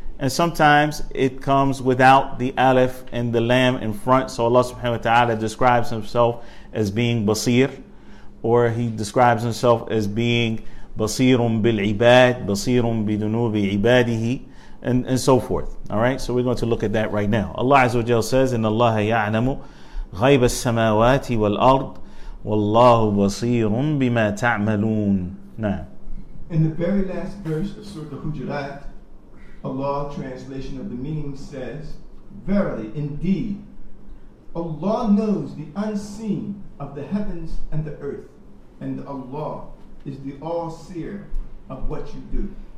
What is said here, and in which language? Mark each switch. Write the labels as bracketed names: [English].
[English] And sometimes it comes without the Aleph and the Lam in front. So Allah subhanahu wa ta'ala describes himself as being Basir. Or he describes himself as being basirun bil ibad, basirun bidunubi ibadihi, and so forth. Alright, so we're going to look at that right now. [Arabic] Allah Azza wa Jalla says, إِنَّ اللَّهَ يَعْلَمُ غَيْبَ السَّمَاوَاتِ وَالْأَرْضِ وَاللَّهُ بَصِيرٌ بِمَا تَعْمَلُونَ. [English] Now, in the very last verse of Surah Al-Hujurat, Allah, translation of the meaning, says, verily, indeed, Allah knows the unseen of the heavens and the earth, and Allah is the all-seer of what you do.